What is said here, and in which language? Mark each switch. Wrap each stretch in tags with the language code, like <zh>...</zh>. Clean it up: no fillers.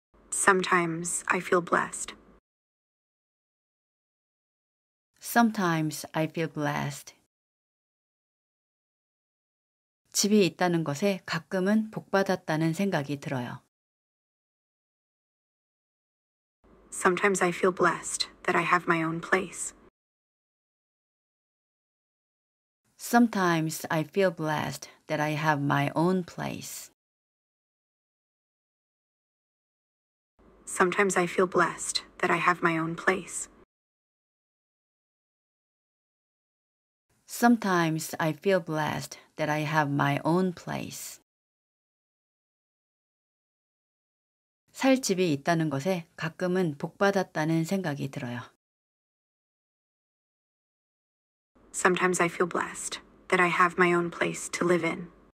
<en>Sometimes I feel blessed. Sometimes I feel blessed.</en> <ko>집이 있다는 것에 가끔은 복받았다는 생각이 들어요.</ko> <en>Sometimes I feel blessed that I have my own place. Sometimes I feel blessed that I have my own place. Sometimes I feel blessed that I have my own place. Sometimes I feel blessed that I have my own place.</en> <ko>살 집이 있다는 것에 가끔은 복받았다는 생각이 들어요.</ko> <en>Sometimes I feel blessed that I have my own place to live in.</en>